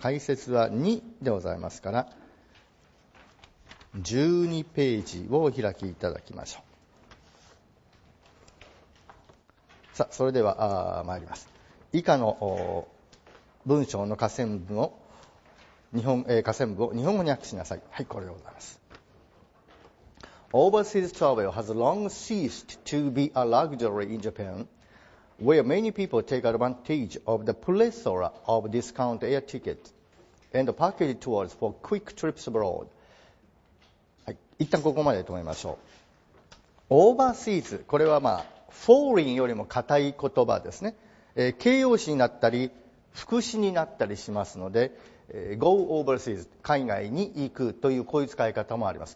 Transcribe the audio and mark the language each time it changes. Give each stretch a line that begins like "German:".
Japanese: 解説は2でございますから12ページを開きいただきましょう。さあ、それでは参ります。以下の文章の下線部を日本語に訳しなさい。はい、これでございます。
English: Overseas travel has long ceased to be a luxury in Japan, where many people take advantage of the plethora of discount air tickets and package tours for quick trips abroad.
Japanese: はい、一旦ここまでと思いましょう。Overseas、 これはフォーリンよりも硬い言葉ですね。形容詞になったり副詞になったりしますので、Go overseas、 海外に行くというこういう使い方もあります。